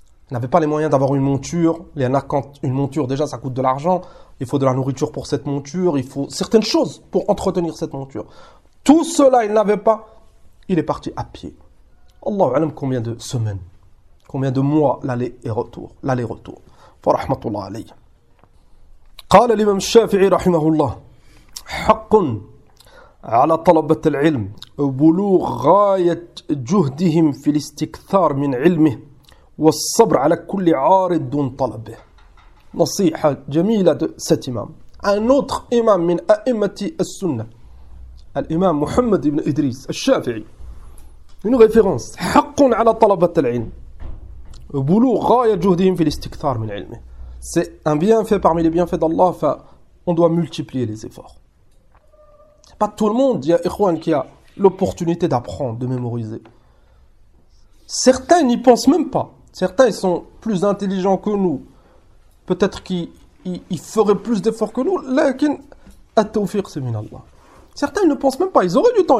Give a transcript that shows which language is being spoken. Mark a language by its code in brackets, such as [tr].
[fr] Il n'avait pas les moyens d'avoir une monture. Il y en a quand une monture, déjà, ça coûte de l'argent. Il faut de la nourriture pour cette monture. Il faut certaines choses pour entretenir cette monture. Tout cela, il n'avait pas. Il est parti à pied. Allahu alam combien de semaines, combien de mois, l'aller-retour. [ar] فرحمة الله عليه قال الإمام الشافعي رحمه الله حق على طلبة العلم بلوغ غاية جهدهم في الاستكثار من علمه والصبر على كل عارض دون طلبه. نصيحة جميلة [fr] de cet imam. Un autre imam [ar] من أئمة السنة. الإمام محمد بن إدريس الشافعي. [fr] Une référence. [ar] حق على طلبة العلم. بلوغ غاية جهدهم في الاستكثار من علمه. [fr] C'est un bienfait parmi les bienfaits d'Allah, on doit multiplier les efforts. Pas tout le monde, il y a Ikhwan, qui a l'opportunité d'apprendre, de mémoriser. Certains n'y pensent même pas. Certains, ils sont plus intelligents que nous. Peut-être qu'ils feraient plus d'efforts que nous. Lakin, at-tawfiq, c'est min Allah. Certains, ils ne pensent même pas. Ils auraient du temps.